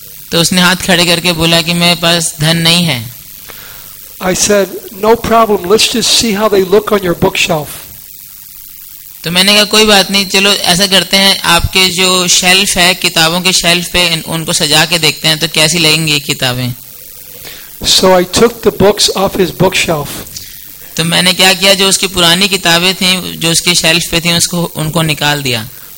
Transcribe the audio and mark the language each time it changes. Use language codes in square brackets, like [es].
[hi] तो उसने हाथ खड़े करके बोला कि मेरे पास धन नहीं है. [en] I said, "No problem. Let's just see how they look on your bookshelf." [hi] तो मैंने कहा कोई बात नहीं, चलो ऐसा करते हैं, आपके जो शेल्फ है किताबों के शेल्फ पे उनको सजा के देखते हैं तो कैसी लगेंगी किताबें. [en] So I took the books off his bookshelf. [hi] तो मैंने क्या किया, जो उसकी पुरानी किताबें थी जो उसके शेल्फ पे थी उनको निकाल दिया.